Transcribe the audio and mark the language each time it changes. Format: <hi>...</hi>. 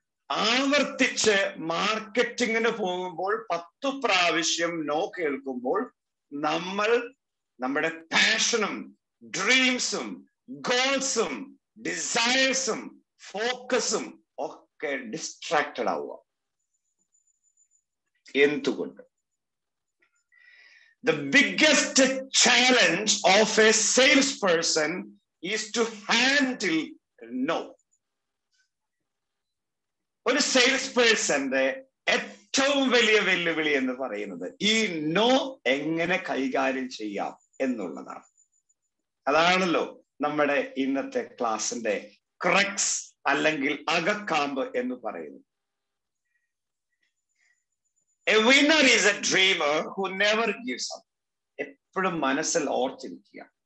<ml>ആവർത്തിച്ച് മാർക്കറ്റിങ്ങിന് പോകുമ്പോൾ 10 പ്രാവശ്യം നോ കേൾക്കുമ്പോൾ നമ്മൾ നമ്മുടെ പാഷനും ഡ്രീംസും ഗോൾസും ഡിസയേഴ്സും ഫോക്കസും ഒക്കെ ഡിസ്ട്രാക്റ്റഡ് ആവുക? എന്തുകൊണ്ട്?</ml> <en>The biggest challenge of a salesperson is to handle no.</en> <ml>ഒരു സെയിൽസ്പേഴ്സന്റെ ഏറ്റവും വലിയ വെല്ലുവിളി എന്ന് പറയുന്നത് ഈ നോ എങ്ങനെ കൈകാര്യം ചെയ്യാം എന്നുള്ളതാണ്. അതാണല്ലോ നമ്മുടെ ഇന്നത്തെ ക്ലാസിന്റെ ക്രക്സ് അല്ലെങ്കിൽ അകക്കാമ്പ് എന്ന് പറയുന്നത്.</ml> <en>A winner is a dreamer who never gives up.</en> <ml>എപ്പോഴും മനസ്സിൽ ഓർത്തിരിക്കുക.</ml>